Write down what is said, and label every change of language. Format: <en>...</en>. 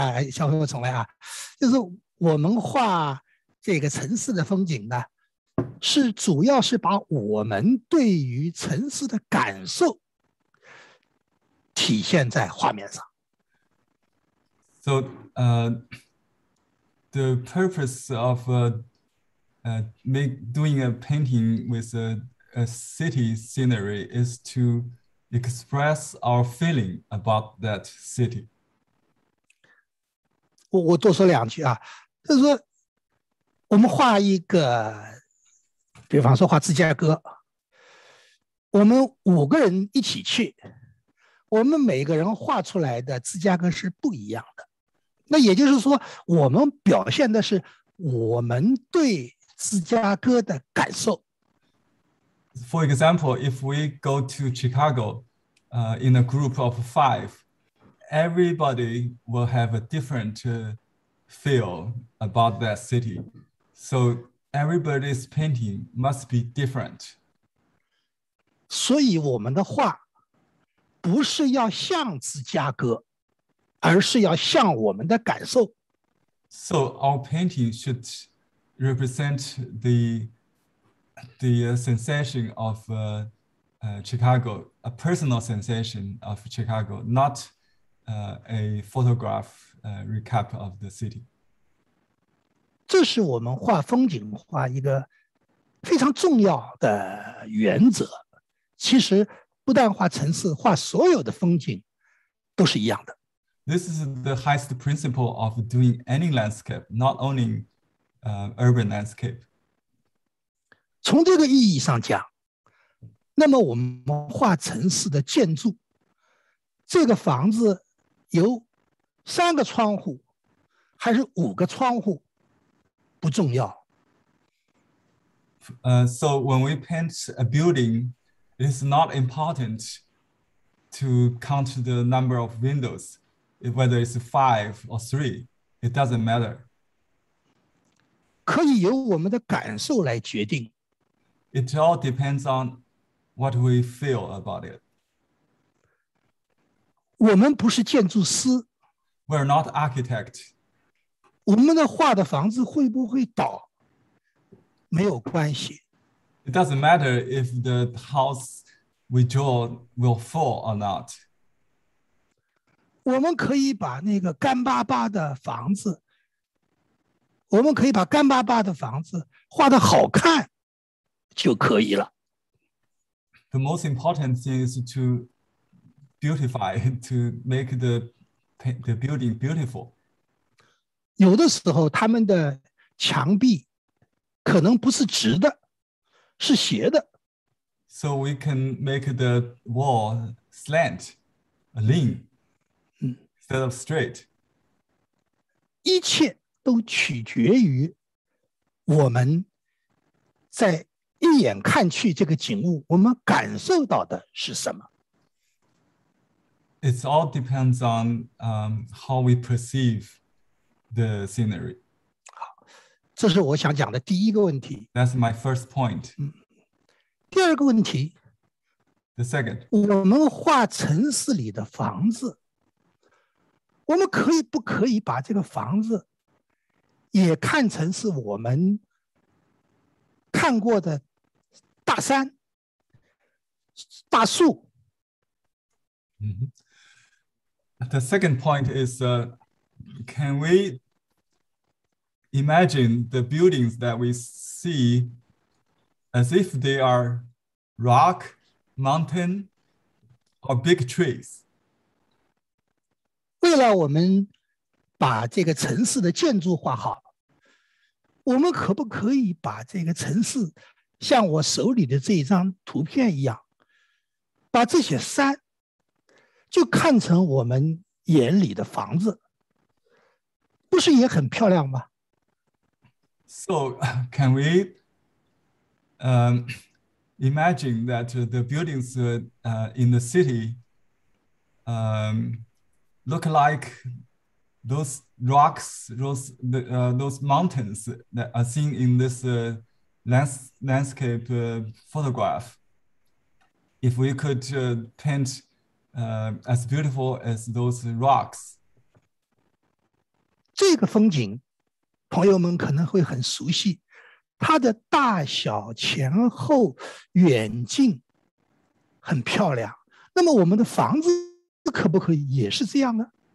<zh>就是我们画这个城市的风景呢，是主要是把我们对于城市的感受体现在画面上。</zh> <en>So, the purpose of doing a painting with a city scenery is to express our feeling about that city.</en> <zh>我多说两句啊，就是说，我们画一个，比方说画芝加哥，我们五个人一起去，我们每个人画出来的芝加哥是不一样的。那也就是说，我们表现的是我们对芝加哥的感受。</zh> <en>For example, if we go to Chicago, in a group of five, everybody will have a different feel about that city. So everybody's painting must be different.</en> <zh>所以我们的画不是要像芝加哥，而是要像我们的感受。</zh> <en>So our painting should represent the sensation of Chicago, a personal sensation of Chicago, not a photograph recap of the city.</en> <zh>这是我们画风景画一个非常重要的原则。其实不但画城市，画所有的风景都是一样的。</zh> <en>This is the highest principle of doing any landscape, not only urban landscape.</en> <zh>从这个意义上讲，那么我们画城市的建筑，这个房子有三个窗户还是五个窗户不重要。</zh> <en>So when we paint a building, it is not important to count the number of windows, whether it's five or three, it doesn't matter.</en> <zh>可以由我们的感受来决定。</zh> <en>It all depends on what we feel about it.</en> <zh>我们不是建筑师。</zh> <en>We're not architect.</en> <zh>我们的画的房子会不会倒？没有关系。</zh> <en>It doesn't matter if the house we draw will fall or not.</en> <zh>我们可以把那个干巴巴的房子，我们可以把干巴巴的房子画得好看。就可以了。</zh> <en>The most important thing is to beautify, to make the building beautiful.</en> <zh>有的时候，他们的墙壁可能不是直的，是斜的。</zh> <en>So we can make the wall slant, lean, instead of straight.</en> <zh>一切都取决于我们在一眼看去这个景物我们感受到的是什么。</zh> <en>It all depends on how we perceive the scenery.</en> <zh>好，这是我想讲的第一个问题。</zh> <en>That's my first point.</en> <zh>第二个问题。</zh> <en>The second.</en> <zh>我们画城市里的房子，我们可以不可以把这个房子也看成是我们看过的大山、大树。</zh> <en>The second point is, can we imagine the buildings that we see as if they are rock, mountain, Or big trees.</en> <zh>为了我们把这个城市的建筑画好，我们可不可以把这个城市像我手里的这一张图片一样，把这些山就看成我们眼里的房子，不是也很漂亮吗？</zh> <en>So can we imagine that the buildings in the city look like those rocks, those mountains that are seen in this landscape photograph. If we could paint as beautiful as those rocks.</en> <zh>这个风景，朋友们可能会很熟悉，它的大小、前后、远近很漂亮。那么我们的房子可不可以也是这样呢？</zh>